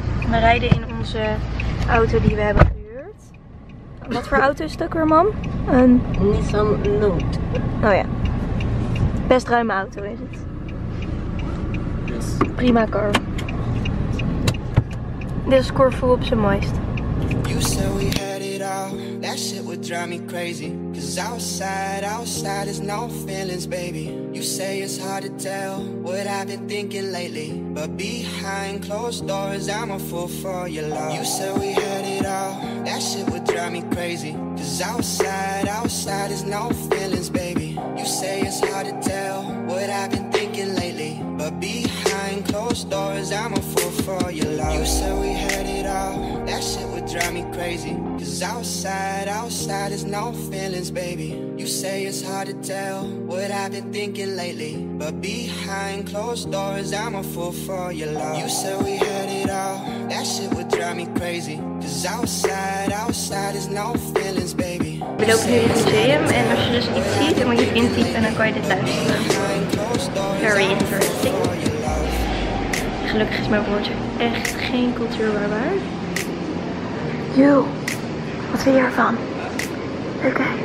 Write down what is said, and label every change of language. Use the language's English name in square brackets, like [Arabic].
[Dutch] We rijden in onze auto die we hebben gehuurd. Wat voor auto is het ook weer, mam? Een Nissan Note. Oh ja. Best ruime auto is het. [English] Yes. Prima car. [Dutch] Dit is Corfu op zijn mooist. [English] You said we had it all. That shit would drive me crazy. Cause outside, outside is no feelings, baby. You say it's hard to tell what I've been thinking lately. But behind closed doors, I'm a fool for your love. You said we had it all. That shit would drive me crazy. Cause outside, outside is no feelings, baby. You say it's hard to tell what I've been thinking lately. But behind closed doors, I'm a fool for your love. You said we had it all. That shit would drive me crazy. Cause outside, outside is no feelings, baby. You say it's hard to tell what I've been thinking lately. But behind closed doors, I'm a fool for your love. You said we had it all. That shit would drive me crazy. Cause outside, outside is no feelings, baby. [Dutch] We lopen nu in het museum en als je dus iets ziet, dan moet je het intypen en dan kan je dit luisteren. [English] Very interesting. [Dutch] Gelukkig is mijn woordje echt geen cultuurwaarbaar. Yo, wat vind je ervan? Oké.